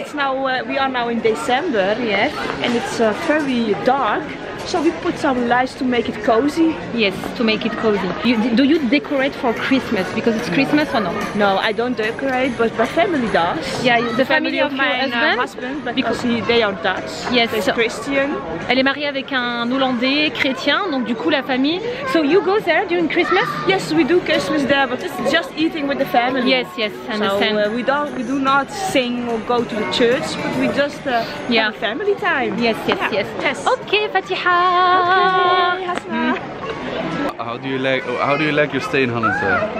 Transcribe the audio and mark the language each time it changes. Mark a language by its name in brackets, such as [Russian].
[English] It's now we are now in December. Yes. And it's very dark. So we put some lights to make it cozy. Yes, to make it cozy. Do you decorate for Christmas? Because it's Christmas or not? No, I don't decorate, but my family does. Yeah, the family of my husband because they are Dutch. Yes, they're Christian. [French] Elle est mariée avec un Hollandais chrétien, donc du coup la famille. [English] So you go there during Christmas? Yes, we do Christmas there, but it's just eating with the family. Yes, yes, I understand. So we do not sing or go to the church, but we just have family time. Yes, yes, yes. Yes. Okay, Fatiha. Okay. How do you like your stay in Holland, sir?